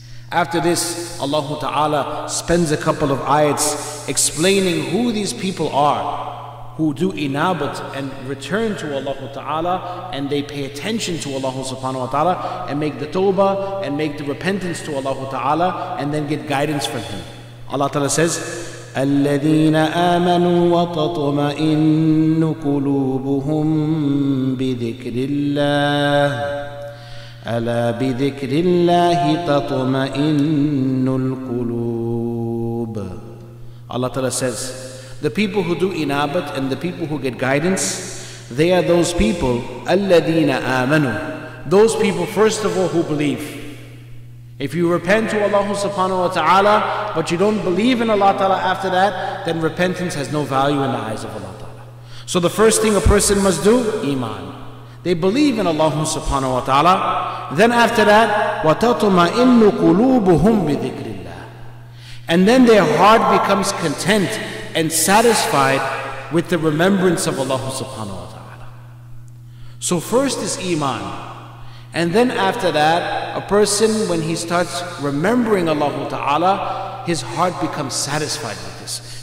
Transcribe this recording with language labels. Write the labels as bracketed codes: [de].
[en] After this, Allah ta'ala spends a couple of ayats explaining who these people are who do inabat and return to Allah ta'ala, and they pay attention to Allah subhanahu wa ta'ala and make the tawbah and make the repentance to Allah ta'ala and then get guidance from Him. Allah ta'ala says, [ar] الذين آمنوا وتطمئن قلوبهم بذكر الله ألا بذكر الله تطمئن القلوب. [en] Allah Ta'ala says, the people who do inabat and the people who get guidance, they are those people, [ar] الذين آمنوا, [en] those people first of all who believe. If you repent to Allah subhanahu wa ta'ala, but you don't believe in Allah ta'ala after that, then repentance has no value in the eyes of Allah ta'ala. So the first thing a person must do, iman. They believe in Allah subhanahu wa ta'ala. Then after that, [ar] وَتَطْمَئِنُّ قُلُوبُهُمْ بِذِكْرِ اللَّهِ. [en] And then their heart becomes content and satisfied with the remembrance of Allah subhanahu wa ta'ala. So first is iman. And then after that, a person, when he starts remembering Allah Ta'ala, his heart becomes satisfied with this.